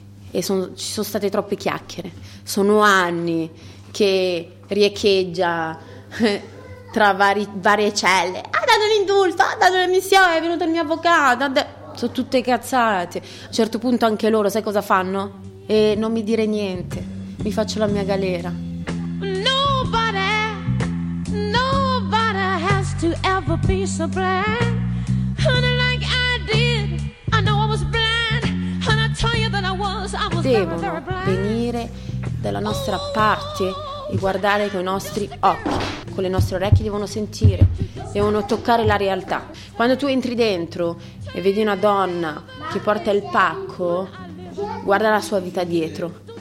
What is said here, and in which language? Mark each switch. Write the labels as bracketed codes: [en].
[it] E ci sono state troppe chiacchiere. Sono anni che riecheggia tra varie celle. Ha dato l'indulto, ha dato l'emissione, è venuto il mio avvocato. Sono tutte cazzate. A un certo punto anche loro, sai cosa fanno? E non mi dire niente, mi faccio la mia galera. [en] Nobody, nobody has to ever be so bland. [it] Devono venire dalla nostra parte e guardare con i nostri occhi, con le nostre orecchie, devono sentire, devono toccare la realtà. Quando tu entri dentro e vedi una donna che porta il pacco, guarda la sua vita dietro.